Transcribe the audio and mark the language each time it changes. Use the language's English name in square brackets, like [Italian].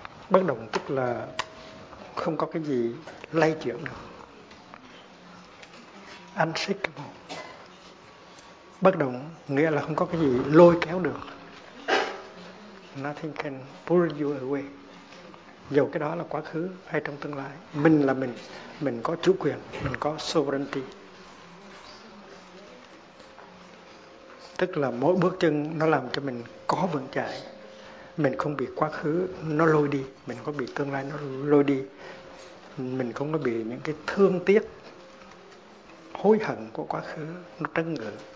[Vietnamese] Bất động tức là không có cái gì lay chuyển được. [English] Unshakable. [Vietnamese] Bất động nghĩa là không có cái gì lôi kéo được. [English] Nothing can pull you away. [Vietnamese] Dù cái đó là quá khứ hay trong tương lai. Mình là mình. Mình có chủ quyền. Mình có sovereignty. Tức là mỗi bước chân nó làm cho mình có vững chãi. Mình không bị quá khứ nó lôi đi. Mình không có bị tương lai nó lôi đi. Mình không có bị những cái thương tiếc, hối hận của quá khứ nó trấn ngự.